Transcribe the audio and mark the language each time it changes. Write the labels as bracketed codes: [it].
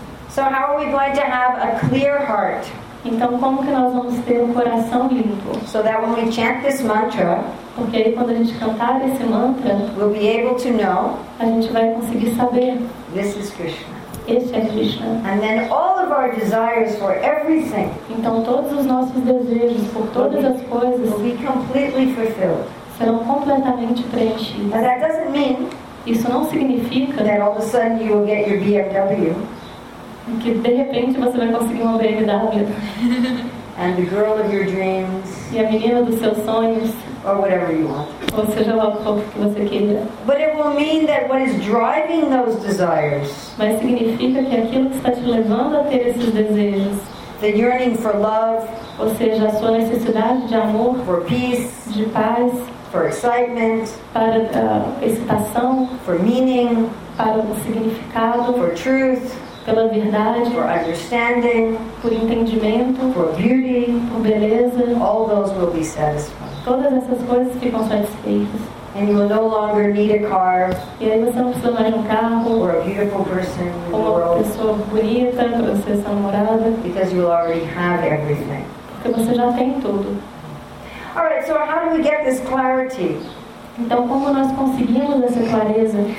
[en] So how are we going to have a clear heart? [pt] Então como que nós vamos ter um coração limpo? [en] So that when we chant this mantra, [pt] porque aí quando a gente cantar esse mantra, [en] we'll be able to know, [pt] a gente vai conseguir saber, [en] this is Krishna. [pt] Este é Krishna. [en] And then all of our desires for everything. [pt] Então todos os nossos desejos por todas as coisas [en] will be completely fulfilled. [pt] Serão completamente preenchidos. [en] But that doesn't mean. [pt] Isso não significa. [en] That all of a sudden you will get your BMW. [pt] Que de repente você vai conseguir uma BMW. [en] And the girl of your dreams. [pt] E a menina dos seus sonhos. [en] Or whatever you want. [pt] Ou seja lá o que você queira. [en] But it will mean that what is driving those desires. [pt] Mas significa que aquilo que está te levando a ter esses desejos. [en] The yearning for love. [pt] Ou seja, a sua necessidade de amor. [en] For peace. [pt] De paz. [en] For excitement. [pt] Para excitação. [en] For meaning. [pt] Para o significado. [en] For truth. [pt] Pela verdade, [en] for understanding, [pt] por entendimento, [en] for beauty, [pt] por beleza, [en] all those will be satisfied. [pt] Todas essas coisas ficam satisfeitas. [en] And you will no longer need a car, [pt] e aí você não precisa mais de um carro, [en] or a beautiful person in the world, [pt] ou uma pessoa bonita para você ser namorada, [en] because you already have everything. [pt] Porque você já tem tudo. [en] All right, so how do we get this clarity? [pt] Então como nós conseguimos essa clareza?